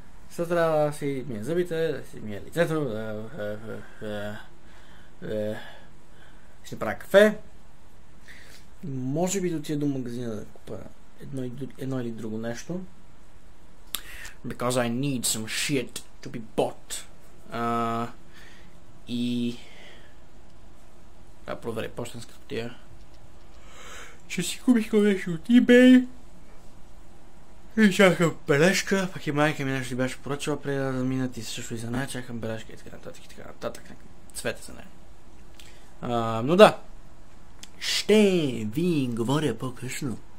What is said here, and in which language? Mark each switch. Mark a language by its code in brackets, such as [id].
[bg] Сега трябва да си мия зъбите, да си мия лицето, да си правя кафе. Може би да отида до магазина да купя едно или друго нещо. [en] Because I need some shit to be bought. [bg] И... Да проверя пощенската кутия. Че си купих нещо от eBay. И чакам бележка, пък и майка ми нещо беше поръчала преди да заминат и също и за нея чакам бележка и така нататък и така нататък. Цвете за нея. Но да. Ще ви говоря по-късно.